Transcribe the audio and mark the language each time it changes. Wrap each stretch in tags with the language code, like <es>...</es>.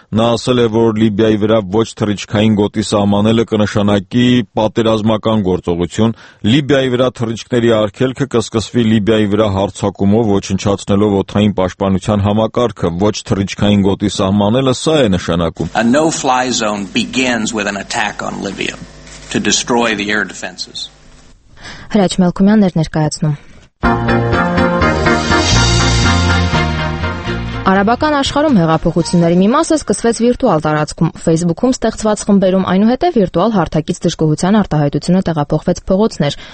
<hy>նա ասել է, որ Լիբիայի վրա ոչ թռիչքային գոտի սահմանելը կնշանակի պատերազմական գործողություն, Լիբիայի վրա թռիչքների արգելքը կսկսվի Լիբիայի վրա հարձակումով, ոչնչացնելով օթային պաշտպանության համակարգը, ոչ թռիչքային գոտի սահմանելը սա է նշանակում։</hy> <en>A no-fly zone begins with an attack on Libya to destroy the air defenses.</en> <hy>Հրաչ Մելքումյաններ ներկայացնում։ Արաբական աշխարհում հեղափոխությունների մի մասը սկսվեց վիրտուալ տարածքում, Facebook-ում ստեղծված խմբերում, այնուհետև վիրտուալ հարթակից դժգոհության արտահայտությունը տեղափոխվեց փողոցներ.</hy>